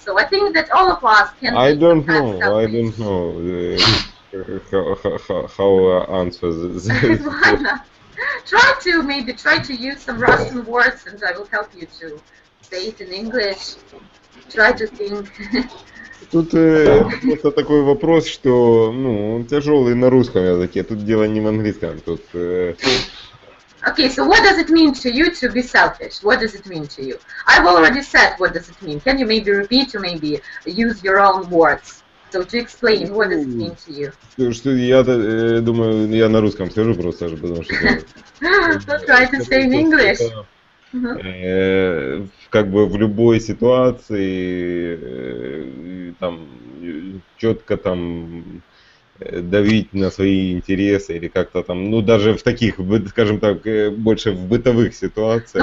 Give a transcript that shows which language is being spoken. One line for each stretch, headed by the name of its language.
English: So I think that all of us can. I don't know. I don't know how answer this. Why not? Try to use some Russian words, and I will help you to say it in English. Try to think.
Russian: Тут просто такой вопрос, что ну он тяжелый на русском языке. Тут дело не в английском. Тут.
English: Okay, so what does it mean to you to be selfish? What does it mean to you? I've already said what does it mean. Can you maybe repeat or maybe use your own words? So to explain, what does it mean to you?
Russian: Что я думаю, я на русском скажу просто, потому что.
English: Don't try to say in English.
Russian: Как бы в любой ситуации там четко там давить на свои интересы или как-то там, ну даже в таких, скажем так, больше в бытовых ситуациях.